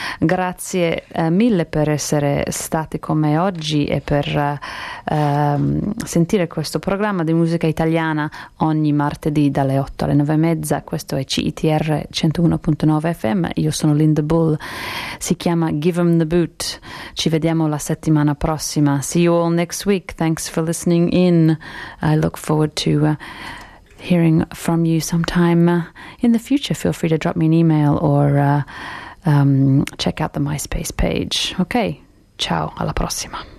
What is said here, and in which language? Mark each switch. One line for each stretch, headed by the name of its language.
Italian: Grazie mille per essere stati con me oggi e per sentire questo programma di musica italiana ogni martedì dalle 8 alle 9:30. Questo è CITR 101.9 FM. Io sono Linda Bull. Si chiama Give 'em the Boot. Ci vediamo la settimana prossima.
English: See you all next week. Thanks for listening in. I look forward to hearing from you sometime in the future. Feel free to drop me an email or check out the MySpace page.
Italian: Okay, ciao, alla prossima.